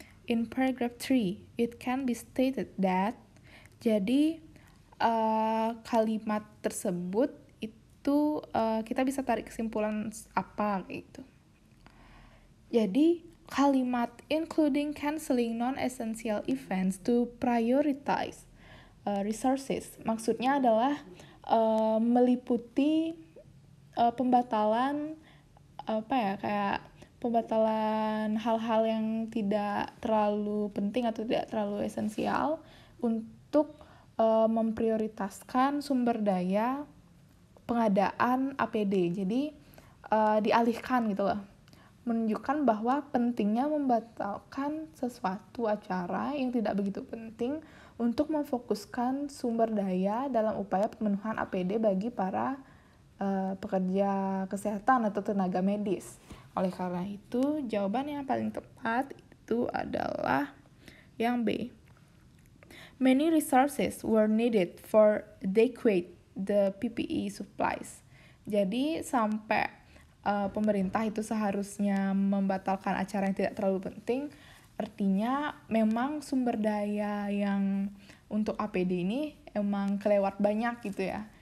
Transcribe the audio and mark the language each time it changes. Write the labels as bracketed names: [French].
[English] In paragraph 3, it can be stated that, [Indonesian] jadi kalimat tersebut itu kita bisa tarik kesimpulan apa gitu. Jadi, kalimat [English] including cancelling non-essential events to prioritize resources. [Indonesian] Maksudnya adalah meliputi pembatalan apa ya, kayak pembatalan hal-hal yang tidak terlalu penting atau tidak terlalu esensial untuk memprioritaskan sumber daya pengadaan APD. Jadi dialihkan gitu loh. Menunjukkan bahwa pentingnya membatalkan sesuatu acara yang tidak begitu penting untuk memfokuskan sumber daya dalam upaya pemenuhan APD bagi para pekerja kesehatan atau tenaga medis. Oleh karena itu, jawaban yang paling tepat itu adalah yang B. [English] Many resources were needed for adequate the PPE supplies. [Indonesian] Jadi, sampai pemerintah itu seharusnya membatalkan acara yang tidak terlalu penting, artinya memang sumber daya yang untuk APD ini emang kelewat banyak gitu ya.